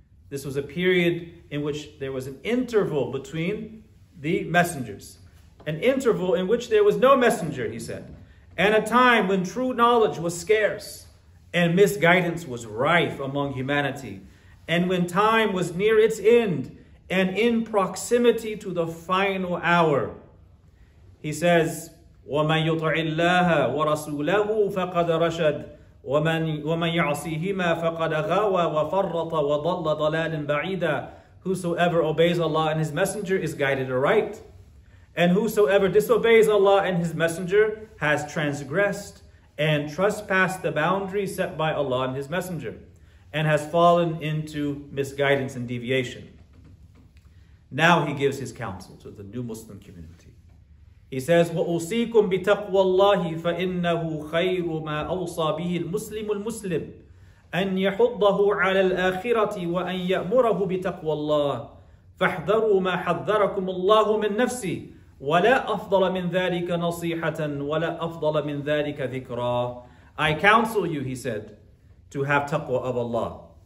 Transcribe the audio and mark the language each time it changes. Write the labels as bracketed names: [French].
[English] This was a period in which there was an interval between the messengers, an interval in which there was no messenger, he said, and a time when true knowledge was scarce and misguidance was rife among humanity, and when time was near its end and in proximity to the final hour. He says, [Arabic] وَمَنْ يُطْعِ اللَّهَ وَرَسُولَهُ فَقَدْ رَشَدْ وَمَنْ يَعْصِهِمَا فَقَدْ غَوَى وَفَرَّطَ وَضَلَّ ضَلَالٍ بَعِيدًا. [English] Whosoever obeys Allah and his messenger is guided aright. And whosoever disobeys Allah and his messenger has transgressed and trespassed the boundary set by Allah and his messenger and has fallen into misguidance and deviation. Now he gives his counsel to the new Muslim community. He says, [Arabic] وَأُوصِيكُمْ بِتَقْوَى اللَّهِ فَإِنَّهُ خَيْرُ مَا أَوْصَى بِهِ الْمُسْلِمُ الْمُسْلِمُ أن يحضه على الآخرة وأن يأمره بتقوى الله فاحذروا ما حذركم الله من نفسي ولا أفضل من ذلك نصيحة ولا أفضل من ذلك ذكرى. [English] I counsel you, he said, to have taqwa of Allah,